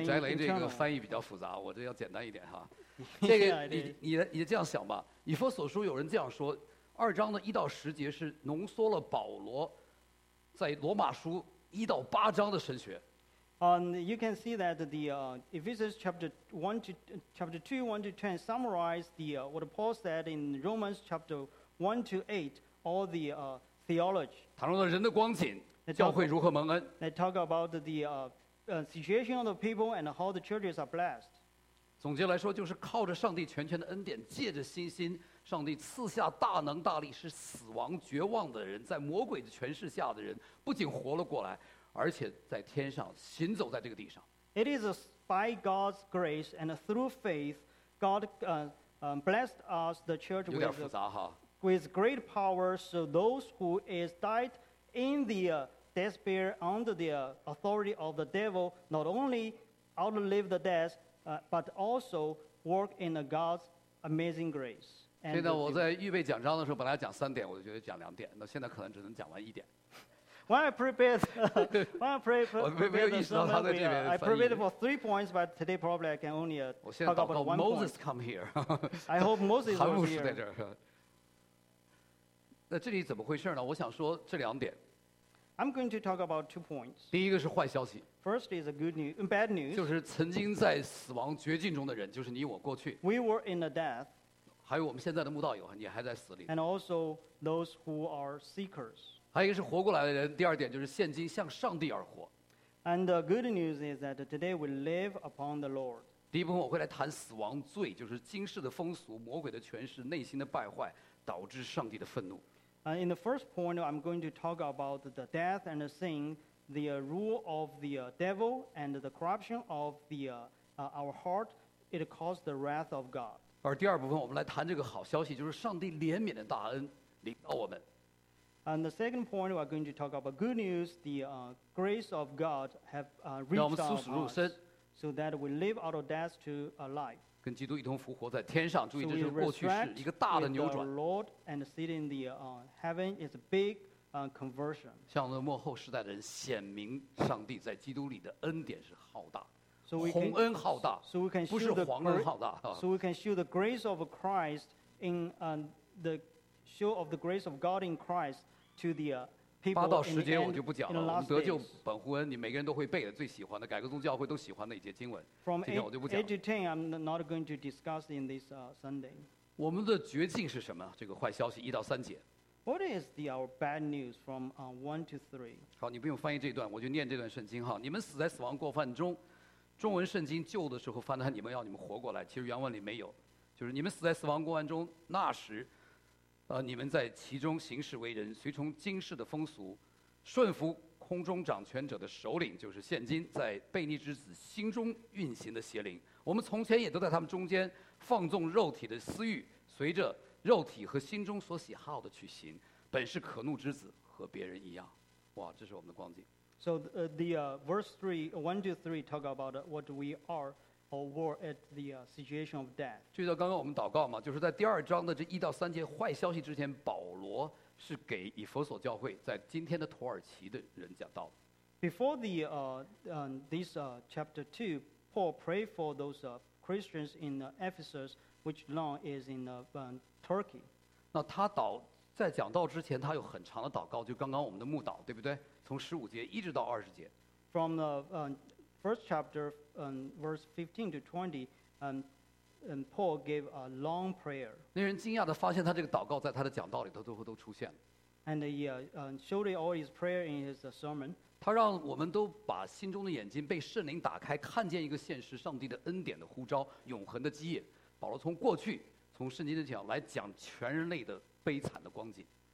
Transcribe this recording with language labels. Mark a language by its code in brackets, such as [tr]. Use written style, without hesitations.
[zh] 这个翟雷这个翻译比较复杂，我这要简单一点哈。这个你这样想吧，以弗所书有人这样说，二章的一到十节是浓缩了保罗在罗马书一到八章的神学。 [en] You can see that the Ephesians chapter 1 to chapter 2, 1 to 10 summarize the what Paul said in Romans chapter 1 to 8, all the theology. [zh] 谈论了人的光景，教会如何蒙恩。 [en] They talk about the situation of the people and how the churches are blessed. [zh] 总结来说，就是靠着上帝全权的恩典，借着信心，上帝赐下大能大力，使死亡绝望的人，在魔鬼的权势下的人，不仅活了过来。而且在天上行走在这个地上。 [en] It is by God's grace and through faith, God blessed us the church. [zh] 有点复杂哈。 [en] who is great power, so those who is died in the despair under the authority of the devil not only outlive the death, but also work in God's amazing grace. [zh] 所以呢，我在预备讲章的时候，本来讲三点，我就觉得讲两点，那现在可能只能讲完一点。 [en] I prepared for 3 points, but today probably I can only talk about 1 point. Moses come here. I hope Moses will be here. [zh] 韩牧师在这儿。那这里怎么回事呢？我想说这两点。 [en] I'm going to talk about 2 points. [zh] 第一个是坏消息。 [en] First is a good news, bad news. [zh] 就是曾经在死亡绝境中的人，就是你我过去。 [en] We were in the death. [zh] 还有我们现在的慕道友，你还在死里。 [en] And also those who are seekers. [zh] 还有一个是活过来的人，第二点就是现今向上帝而活。 [en] And the good news is that today we live upon the Lord. [zh] 第一部分我会来谈死亡罪，就是今世的风俗、魔鬼的权势、内心的败坏，导致上帝的愤怒。 [en] And in the first point, I'm going to talk about the death and the sin, the rule of the devil and the corruption of the our heart. It caused the wrath of God. [zh] 而第二部分我们来谈这个好消息，就是上帝怜悯的大恩临到我们。 [en] And the second point, we are going to talk about good news, the grace of God have reached us, so that we live out of death to a life. [zh] 跟基督一同复活在天上，注意这是过去式，一个大的扭转。 [en] The Lord and sitting in the heaven is a big conversion. [zh] 向着末后时代的人显明上帝在基督里的恩典是浩大，宏恩浩大，不是皇恩浩大。 [en] So we can show the grace of Christ in the show of the grace of God in Christ to the people. [zh] 八到十节我就不讲了。我们得救本乎恩，你每个人都会背的，最喜欢的，改革宗教会都喜欢的一节经文。 [en] From [zh] 今天我就不讲了。 [en] 8 to 10, I'm not going to discuss in this Sunday. [zh] 我们的绝境是什么？这个坏消息一到三节。 [en] What is the our bad news from 1 to 3? [zh] 好，你不用翻译这段，我就念这段圣经哈。你们死在死亡过犯中，中文圣经旧的时候翻的，你们要你们活过来。其实原文里没有，就是你们死在死亡过犯中，那时。你们在其中行事为人，随从今世的风俗，顺服空中掌权者的首领，就是现今在悖逆之子心中运行的邪灵。我们从前也都在他们中间放纵肉体的私欲，随着肉体和心中所喜好的去行，本是可怒之子，和别人一样。哇，这是我们的光景。 [en] So the verse 1 to 3 talk about what we are. Or were at the situation of death. [zh] 注意到刚刚我们祷告嘛，就是在第二章的这一到三节坏消息之前，保罗是给以弗所教会在今天的土耳其的人讲道。 [en] Before the this chapter 2, Paul prayed for those Christians in Ephesus, which now is in Turkey. [zh] 那他祷在讲道之前，他有很长的祷告，就刚刚我们的牧祷，对不对？从十五节一直到二十节。 [en] From the first chapter. Verse 15 to 20, and Paul gave a long prayer. [zh] 那人惊讶地发现他这个祷告在他的讲道里头都出现了。 [en] And he showed all his prayer in his sermon. [zh] 他让我们都把心中的眼睛被圣灵打开，看见一个现实，上帝的恩典的呼召，永恒的基业。保罗从过去，从圣经的角度来讲全人类的悲惨的光景。